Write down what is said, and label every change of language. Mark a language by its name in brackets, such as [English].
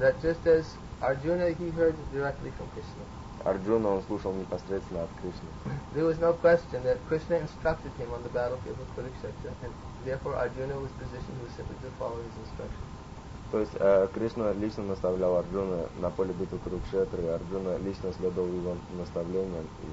[English] That just as Arjuna, he heard directly from Krishna. [Russian] Арджуна он слушал непосредственно от Кришны. [English] There was no question that Krishna instructed him on the battlefield of Kurukshetra, and therefore Arjuna was positioned simply to follow his instructions. [Russian] То есть Кришна лично наставлял Арджуна на поле битвы Курукшетры, Арджуна лично следовал его наставлениям.